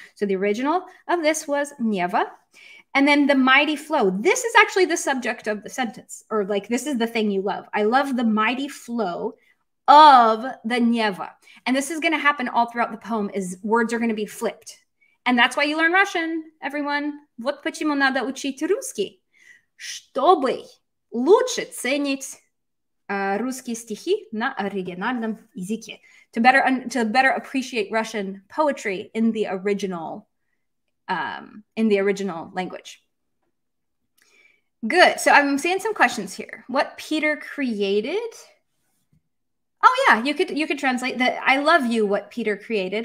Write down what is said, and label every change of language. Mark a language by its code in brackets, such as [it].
[en] So the original of this was нева. And then the mighty flow. This is actually the subject of the sentence, or like this is the thing you love. I love the mighty flow of the нева. And this is going to happen all throughout the poem is words are going to be flipped. And that's why you learn Russian, everyone. [ru] Вот почему надо учить русский. Чтобы лучше ценить русские стихи на оригинальном языке. [en] To better appreciate Russian poetry in the original language. Good. So I'm seeing some questions here. What Peter created? Oh yeah, you could translate that. I love you, what Peter created.